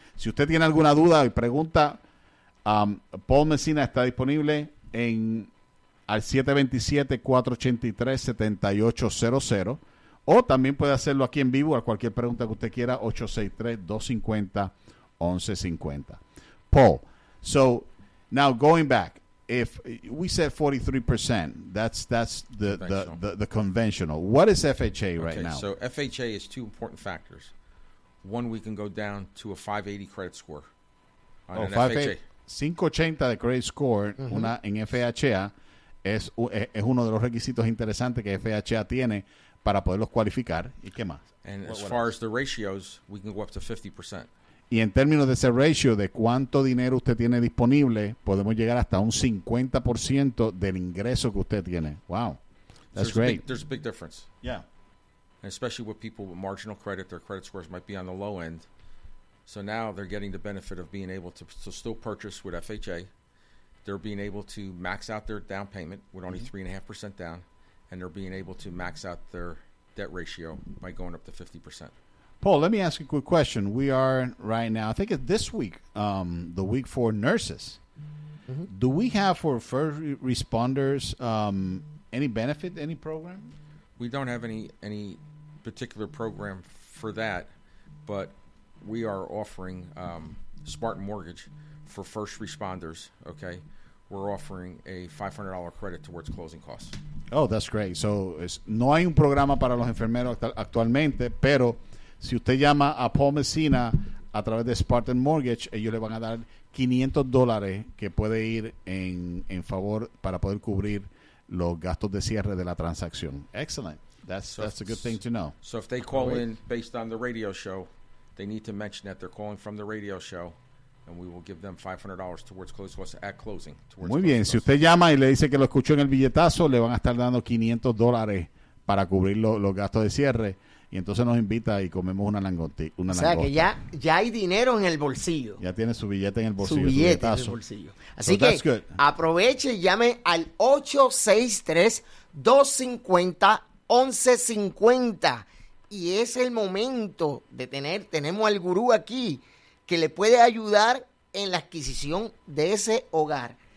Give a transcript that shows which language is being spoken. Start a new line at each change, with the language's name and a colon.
Spanish: Si usted tiene alguna duda o pregunta, Paul Messina está disponible en al 727-483-7800, o también puede hacerlo aquí en vivo a cualquier pregunta que usted quiera, 863-250-1150.
English: Paul, so now going back, if we said 43%, that's the conventional. What is FHA right now? So FHA is two important factors. One, we can go down to a 580 credit score. Oh, 580 de credit score, mm-hmm.
Spanish: Una en FHA es uno de los requisitos interesantes que FHA tiene para poderlos cualificar. ¿Y qué más?
English: And as far as the ratios, we can go up to 50%.
Spanish: Y en términos de ese ratio, de cuánto dinero usted tiene disponible, podemos llegar hasta un 50% del ingreso que usted tiene.
English: Wow. That's great. There's a big difference. Yeah. And especially with people with marginal credit, their credit scores might be on the low end. So now they're getting the benefit of being able to still purchase with FHA. They're being able to max out their down payment with only 3.5% down. And they're being able to max out their debt ratio by going up to 50%. Paul, let me ask you a quick question. We are right now, I think it's this week, the week for nurses. Mm-hmm. Do we have for first responders any benefit, any program? We don't have any particular program for that, but we are offering Spartan Mortgage for first responders, okay? We're offering a $500 credit towards closing costs. Oh, that's great.
Spanish: So no hay un programa para los enfermeros actualmente, pero si usted llama a Paul Messina a través de Spartan Mortgage, ellos le van a dar $500 que puede ir en favor para poder cubrir los gastos de cierre de la transacción.
English: Excellent. That's a good thing to know. So if they call in based on the radio show, they need to mention that they're calling from the radio show, and we will give them $500 towards closing costs at closing.
Spanish: Muy bien. Si usted llama y le dice que lo escuchó en el billetazo, le van a estar dando $500 para cubrir los gastos de cierre. Y entonces nos invita y comemos una langosta. O sea, que ya hay dinero en el bolsillo. Ya tiene su billete en el bolsillo. Su billete en el bolsillo. Así que aproveche y llame al 863-250-1150. Y es el momento de tenemos al gurú aquí que le puede ayudar en la adquisición de ese hogar.